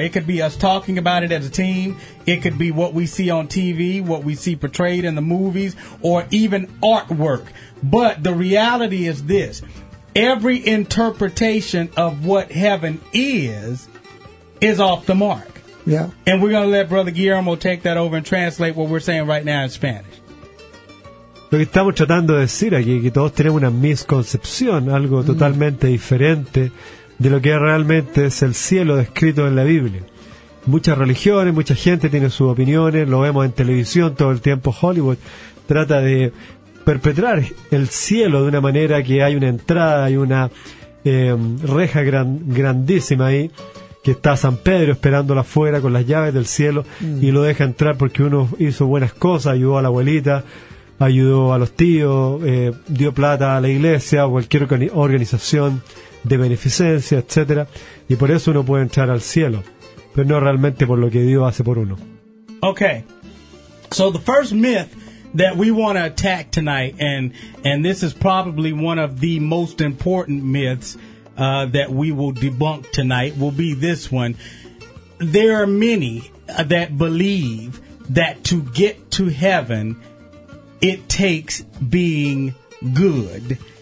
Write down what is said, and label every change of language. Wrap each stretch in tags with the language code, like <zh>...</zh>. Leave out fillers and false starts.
<en>It could be us talking about it as a team. It could be what we see on TV, what we see portrayed in the movies, or even artwork. But the reality is this. Every interpretation of what heaven is off the mark. Yeah. And we're going to let Brother Guillermo take that over and translate what we're saying right now in Spanish.</en> <es>Lo que estamos tratando de decir aquí es que todos tenemos una misconcepción, algo totalmente diferente de lo que realmente es el cielo descrito en la Biblia. Muchas religiones, mucha gente tiene sus opiniones, lo vemos en televisión todo el tiempo. Hollywood trata de perpetrar el cielo de una manera que hay una entrada, hay una reja grandísima ahí, que está San Pedro esperándola afuera con las llaves del cielo, y lo deja entrar porque uno hizo buenas cosas, ayudó a la abuelita, ayudó a los tíos, dio plata a la iglesia o cualquier organización de beneficencia, etcétera, y por eso uno puede entrar al cielo, pero no realmente por lo que Dios hace por uno.</es> <en>Okay, so the first myth that we want to attack tonight, and this is probably one of the most important myths that we will debunk tonight, will be this one. There are many that believe that to get to heaven, it takes being good.</en>